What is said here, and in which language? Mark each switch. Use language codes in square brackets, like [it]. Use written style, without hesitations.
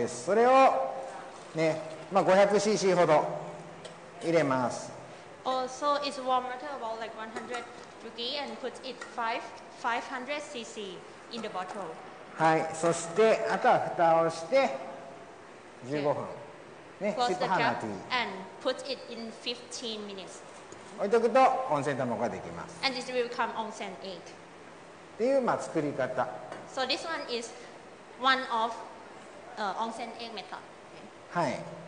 [ja] ね、100度のお湯です。それをね、まあ500cc ほど入れます。 [en] Oh, so it's warm water, about like 100 degrees, and put it 500cc in the bottle. [ja] はい、そしてあとは蓋をして 15分 [en] ね、close the cap and put it in 15 minutes. [ja] 置いておくと温泉卵ができます。 [en] And this will become onsen egg. [ja] っていう、まあ、作り方。 [en] So this one is one of onsen egg method.